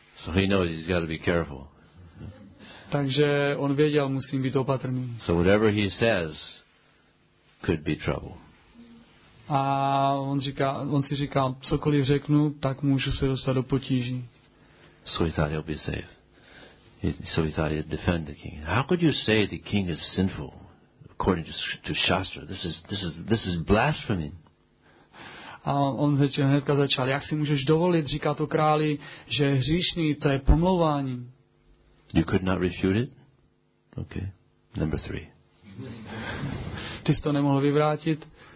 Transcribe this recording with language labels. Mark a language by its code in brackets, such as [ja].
[en] So he knows he's got to be careful. [cs] Takže on věděl, musím být opatrný. [en] So whatever he says could be trouble. [cs] A on si říká, cokoliv řeknu, tak můžu se dostat do potíží. [en] So he thought he'll be safe. So he thought he'd defend the king. How could you say the king is sinful? According to Shastra, this is blasphemy. [cs] A on hnedka začal, jak si můžeš dovolit, říká to králi, že je hříšný, to je pomlouvání. [en] You could not refute it? Okay, number three. [cs] Ty jsi to nemohl vyvrátit?